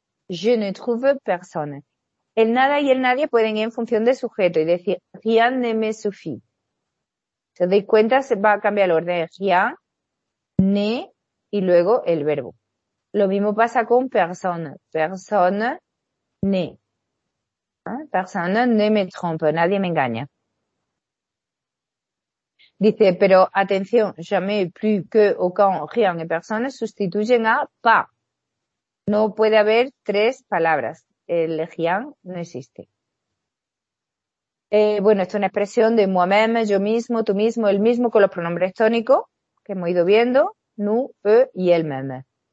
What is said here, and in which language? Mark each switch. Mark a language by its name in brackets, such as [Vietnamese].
[Spanish] Je ne trouve personne. El nada y el nadie pueden ir en función de sujeto y decir rien ne me suffit. Si os dais cuenta, se va a cambiar el orden. Rien, ne y luego el verbo. Lo mismo pasa con persona. Persona, ne. [French] Personne ne me trompe, nadie me engaña. [Spanish] Dice, pero atención, jamais plus que aucun, rien et personne sustituyen a pas. No puede haber tres palabras. El rien no existe. Bueno, esto es una expresión de moi-même, yo mismo, tú mismo, el mismo con los pronombres tónicos que hemos ido viendo, nous, eux y el même.